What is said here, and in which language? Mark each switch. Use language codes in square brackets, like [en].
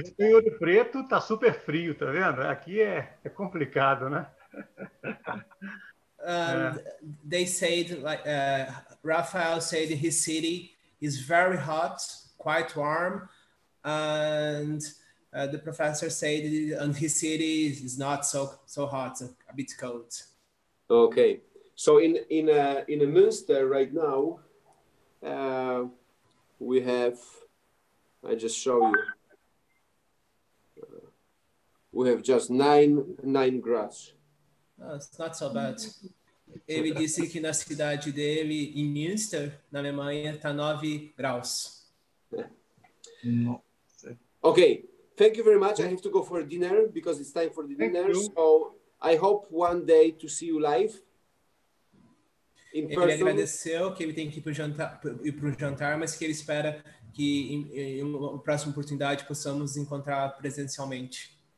[pt] Aqui em Ouro Preto está super frio, tá vendo? Aqui é complicado, né? [en] They said, like Rafael said, his city is very hot, quite warm, and the professor said, and his city is not so hot, a bit cold. Okay, so in Münster right now, we have, I just show you, we have just nine grass. Oh, it's not so bad. [pt] Ele disse que na cidade dele, em Münster, na Alemanha, está 9 graus. [en] Ok, thank you very much. I have to go for dinner, because it's time for the dinner. So I hope one day to see you live. In person. [pt] Ele agradeceu que ele tem que ir para o jantar, mas que ele espera que em uma próxima oportunidade possamos encontrar presencialmente.